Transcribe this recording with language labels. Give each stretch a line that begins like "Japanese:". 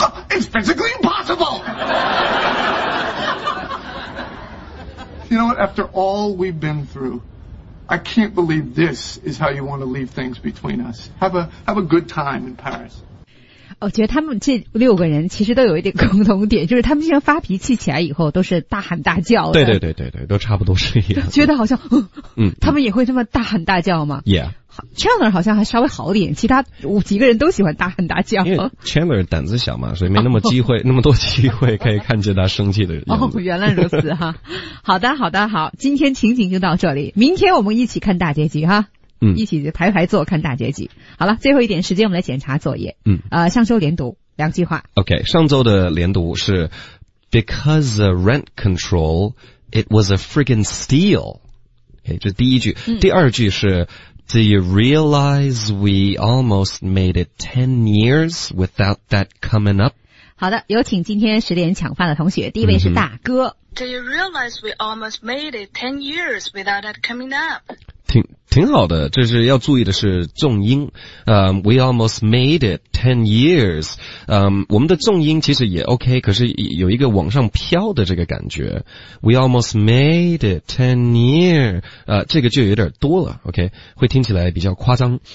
English: It's physically impossible. You know what? After all we've been through, I can't believe this is how you want to leave things between us. Have a good time in Paris.
Chinese: 我觉得他们这六个人其实都有一点共同点，就是他们经常发脾气起来以后都是大喊大叫的。对，都差不多是一样的。觉得好像，他们也会这么大喊大叫吗？ Chandler 好像还稍微好点，其他五几个人都喜欢大喊大叫。因为 Chandler 胆子小嘛，所以没那么机会，那么多机会可以看见他生气的样子。哦，原来如此哈。好的，今天情景就到这里，明天我们一起看大结局哈。一起排排坐看大结局。好了，最后一点时间我们来检查作业。上周连读两句话。
English: OK,
Chinese: 上周的连读是
English: Because the rent control, it was a friggin' steal. Okay,
Chinese: 这第一句。第二句是
English: Do you realize we almost made it 10 years without that coming up?
Chinese: 好的，有请今天十点抢饭的同学，第一位是大哥。
English: Do you realize we almost made it 10 years without that coming up?
Chinese: 挺好的，这是要注意的是重音。
English: We almost made it 10 years.
Chinese: 我们的重音其实也 OK, 可是有一个往上飘的这个感觉。
English: We almost made it 10 years.
Chinese: 这个就有点多了 ,OK? 会听起来比较夸张。